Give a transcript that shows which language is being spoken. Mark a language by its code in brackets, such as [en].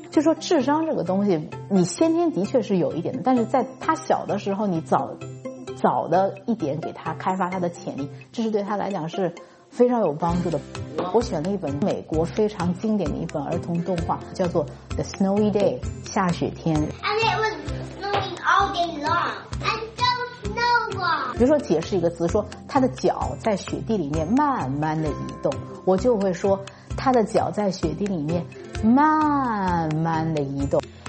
[zh] 就说智商这个东西，你先天的确是有一点的，但是在他小的时候，你早的一点给他开发他的潜力，这是对他来讲是非常有帮助的。我选了一本美国非常经典的一本儿童动画，叫做 The Snowy Day， 下雪天。 [en] And it was snowing all day long. I don't know why. [zh] 比如说解释一个词，说他的脚在雪地里面慢慢的移动，我就会说他的脚在雪地里面慢慢的移动。